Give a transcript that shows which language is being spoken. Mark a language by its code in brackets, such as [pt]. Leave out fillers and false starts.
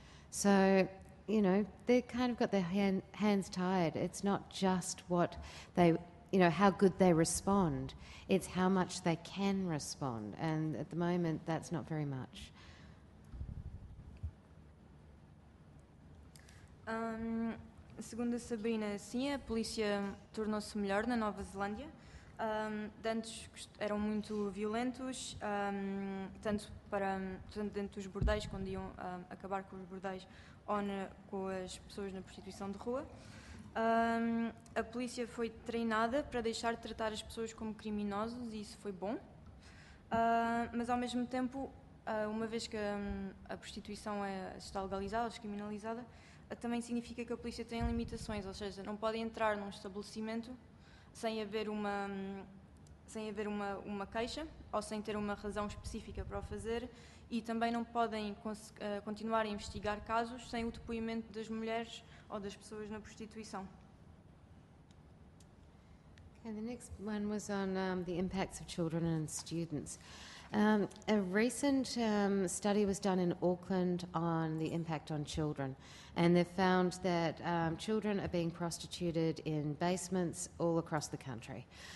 [en] So, you know, they've kind of got their hands tied. It's not just what they, you know, how good they respond. It's how much they can respond. And at the moment, that's not very much. [pt] Segundo a Sabrina, sim, a polícia tornou-se melhor na Nova Zelândia. Dantes eram muito violentos, tanto dentro dos bordéis, quando iam acabar com os bordéis, com as pessoas na prostituição de rua. A polícia foi treinada para deixar de tratar as pessoas como criminosos e isso foi bom. Mas, ao mesmo tempo, uma vez que a prostituição está legalizada, descriminalizada, também significa que a polícia tem limitações, ou seja, não pode entrar num estabelecimento sem haver uma queixa ou sem ter uma razão específica para o fazer e também não podem continuar a investigar casos sem o depoimento das mulheres ou das pessoas na prostituição. [en] Okay, the next one was on the impacts of children and students. A recent study was done in Auckland on the impact on children, and they've found that children are being prostituted in basements all across the country.